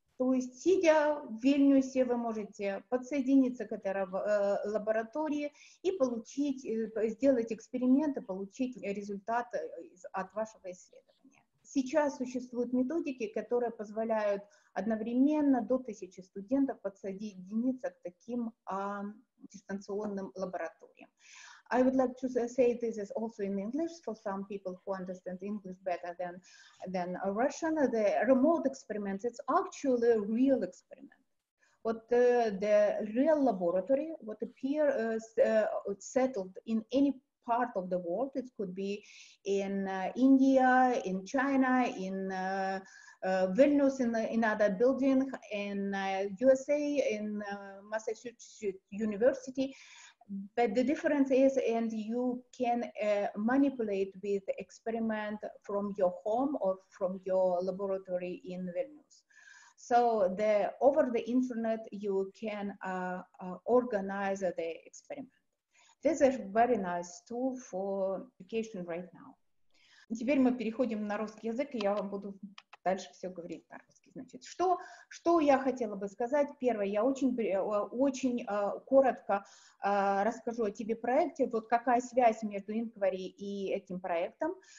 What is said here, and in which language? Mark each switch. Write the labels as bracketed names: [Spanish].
[Russian] То есть, сидя в Вильнюсе, вы можете подсоединиться к этой лаборатории и получить, сделать эксперимент и получить результаты от вашего исследования. Сейчас существуют методики, которые позволяют одновременно до 1000 студентов подсоединиться к таким дистанционным лабораториям. [English] I would like to say this is also in English for some people who understand English better than Russian. The remote experiments, it's actually a real experiment. But the real laboratory, what appears settled in any part of the world, it could be in India, in China, in Vilnius, in other building, in USA, in Massachusetts University. But the difference is, and you can manipulate with experiment from your home or from your laboratory in Vilnius. So the over the internet, you can organize the experiment. This is a very nice tool for education right now. [Russian] Теперь мы переходим на русский язык, и я вам буду дальше все говорить на русский. Значит, что я хотела бы сказать? Первое, я очень коротко расскажу о тебе проекте, вот какая связь между Inquiry и этим проектом.